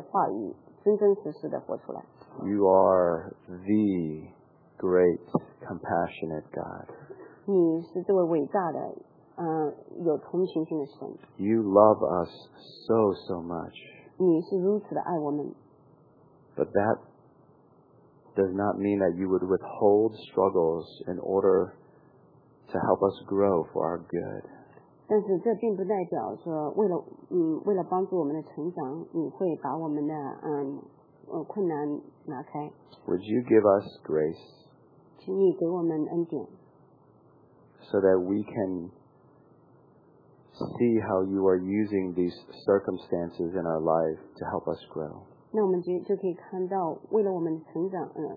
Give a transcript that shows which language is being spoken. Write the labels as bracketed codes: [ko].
[zh] 不仅仅是说让我们更加有能力，但是也希望我们能够把你这些所有的珍贵的话语真真实实的活出来。 [en] You are the great compassionate God. [zh] 你是这位伟大的，有同情心的神。 [en] You love us so much. [zh] 你是如此的爱我们。 [en] But that does not mean that you would withhold struggles in order to help us grow for our good. [zh] 但是这并不代表说为了帮助我们的成长，你会把我们的困难拿开。 [en] Would you give us grace? [zh] 请你给我们恩典。 [en] So that we can see how you are using these circumstances in our life to help us grow. [zh] 那我们就可以看到为了我们的成长。